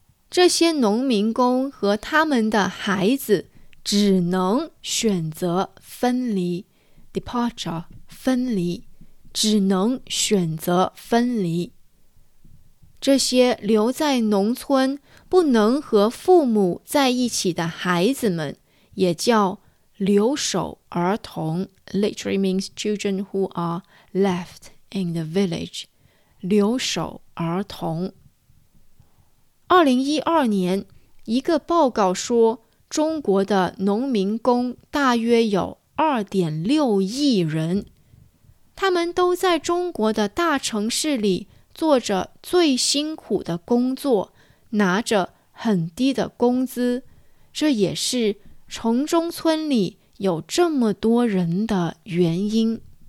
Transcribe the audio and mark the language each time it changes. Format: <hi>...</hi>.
<zh>这些农民工和他们的孩子只能选择分离 departure， 分离，只能选择分离。这些留在农村不能和父母在一起的孩子们也叫留守儿童</zh> <en>literally means children who are left in the village.</en> <zh>留守儿童。 2012年，一个报告说，中国的农民工大约有 2.6 亿人，他们都在中国的大城市里做着最辛苦的工作，拿着很低的工资，这也是城中村里有这么多人的原因。</zh>